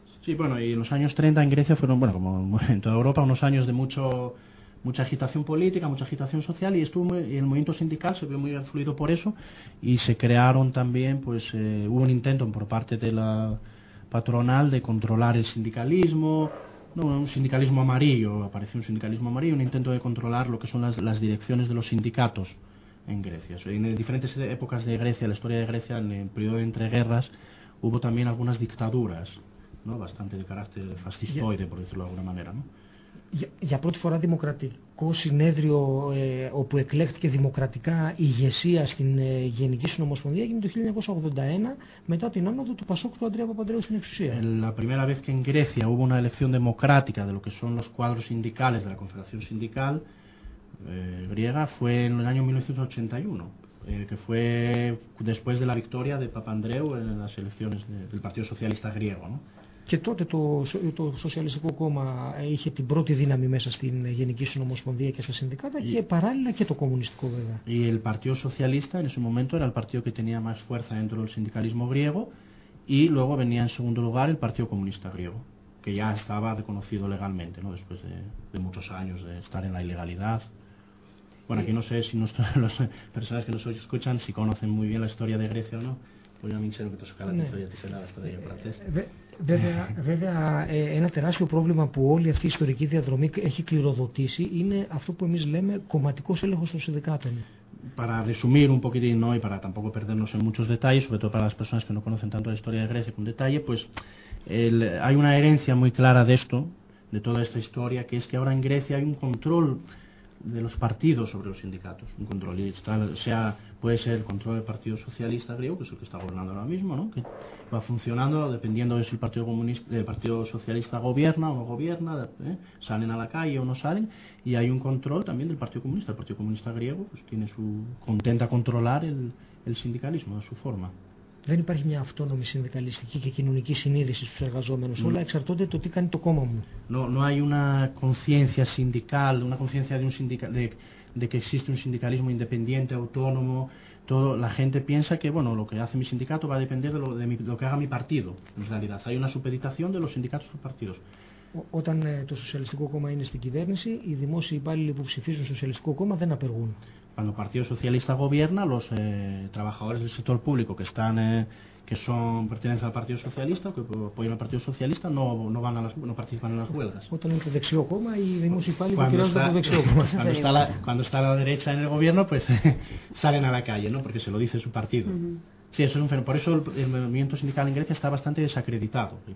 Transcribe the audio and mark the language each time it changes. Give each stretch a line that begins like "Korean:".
Spanish: Sí, bueno, y los años 30 en Grecia fueron, bueno, como en toda Europa, unos años de mucha agitación política, mucha agitación social, y el movimiento sindical se vio muy influido por eso, y se crearon también, pues hubo un intento por parte de la patronal de controlar el sindicalismo, no, un sindicalismo amarillo, apareció un sindicalismo amarillo, un intento de controlar lo que son las direcciones de los sindicatos en Grecia. O sea, en diferentes épocas de Grecia, la historia de Grecia, en el periodo de entreguerras, hubo también algunas dictaduras. No, bastante de carácter fascistoide, por decirlo de alguna manera. ¿No?
Greek: Για πρώτη φορά δημοκρατικό συνέδριο όπου εκλέχθηκε δημοκρατικά ηγεσία στην Γενική Συνομοσπονδία έγινε το 1981 μετά την άνοδο του Πασόκ του Αντρέα Παπανδρέου στην εξουσία.
Spanish: La primera vez que en Grecia hubo una elección democrática de lo que son los cuadros sindicales de la Confederación Sindical griega fue en el año 1981. Que fue después de la victoria de Papandreou en las elecciones del Partido Socialista griego, ¿no?
Greek: Και τότε το Σοσιαλιστικό Κόμμα είχε την πρώτη δύναμη μέσα στην Γενική Συνομοσπονδία και στα συνδικάτα και παράλληλα και το Κομμουνιστικό βέβαια.
Spanish: Y el Partido Socialista en ese momento era el partido que tenía más fuerza dentro del sindicalismo griego y luego venía en segundo lugar el Partido Comunista griego, que ya estaba reconocido legalmente, ¿no? Después de muchos años de estar en la ilegalidad. Bueno, aquí no sé si las personas que nos escuchan si conocen muy bien la historia de Grecia o no. Pues yo a mí sé lo que te sacará la historia de Ελλάδα, hasta de ahí en francés.
Greek: Βέβαια, ένα τεράστιο πρόβλημα που όλη αυτή η ιστορική διαδρομή έχει κληροδοτήσει είναι αυτό που εμείς λέμε κομματικός έλεγχος των συνδικάτων.
Spanish: Para resumir un poquitino y para tampoco perdernos en muchos detalles, sobre todo para las personas que no conocen tanto la historia de Grecia con detalle, pues hay una herencia muy clara de esto, de toda esta historia, que es que ahora en Grecia hay un control de los partidos sobre los sindicatos, un control, sea, puede ser el control del Partido Socialista griego, que es el que está gobernando ahora mismo, ¿no? Que va funcionando dependiendo de si el Partido Socialista gobierna o no gobierna, salen a la calle o no salen, y hay un control también del Partido Comunista. El Partido Comunista griego pues, tiene su contenta controlar el sindicalismo de su forma.
Greek: Δεν υπάρχει μια αυτόνομη συνδικαλιστική και κοινωνική συνείδηση στους εργαζόμενους. Όλα εξαρτώνται το τι κάνει το κόμμα μου.
Spanish: No hay una conciencia sindical, una conciencia de un sindical, de que existe un sindicalismo independiente, autónomo. Todo, la gente piensa que bueno, lo que hace mi sindicato va a depender de lo que haga mi partido. En realidad, hay una supeditación de los sindicatos a los partidos.
Greek: Όταν το Σοσιαλιστικό Κόμμα είναι στην κυβέρνηση, οι δημόσιοι υπάλληλοι που ψηφίζουν Σοσιαλιστικό Κόμμα δεν απεργούν.
Spanish: Cuando el Partido Socialista gobierna, los trabajadores del sector público que están, que son pertenecen al Partido Socialista, que apoyan al Partido Socialista, no participan en las huelgas.
Greek: Όταν είναι το δεξιό κόμμα, οι δημόσιοι υπάλληλοι κυρίζονται το δεξιό κόμμα.
Spanish: Cuando está la derecha en el gobierno, pues salen a la calle, ¿no? Porque se lo dice su partido. Sí, eso es un fenómeno. Por eso el movimiento sindical en Grecia está bastante desacreditado.